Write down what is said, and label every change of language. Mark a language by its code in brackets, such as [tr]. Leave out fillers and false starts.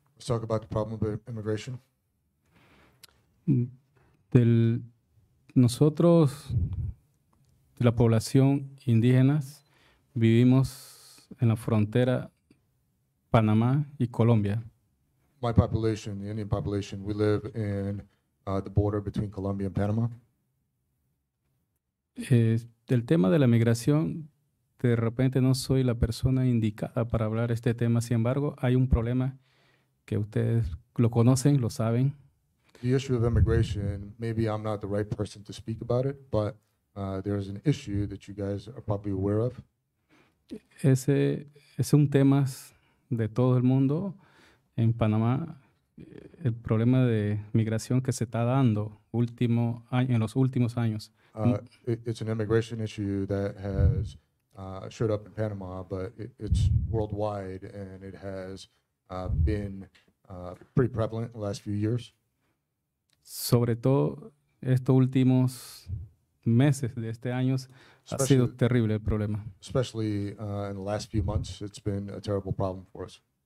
[en] Let's talk about the problem of immigration. [es] Del nosotros, de la población indígenas, vivimos en la frontera Panamá y Colombia. [en] My population, the Indian population, we live in the border between Colombia and Panama. [es] Del tema de la migración, de repente no soy la persona indicada para hablar este tema. Sin embargo, hay un problema que ustedes lo conocen, lo saben. [en] The issue of immigration, maybe I'm not the right person to speak about it, but there is an issue that you guys are probably aware of. [es] Ese es un tema de todo el mundo. En Panamá, el problema de migración que se está dando último año, en los últimos años. [en] It's an immigration issue that has showed up in Panama, but it's worldwide, and it has been pretty prevalent in the last few years. [es] Sobre todo estos últimos meses de este año, ha sido terrible el problema. [en] Especially in the last few months, it's been a terrible problem for us.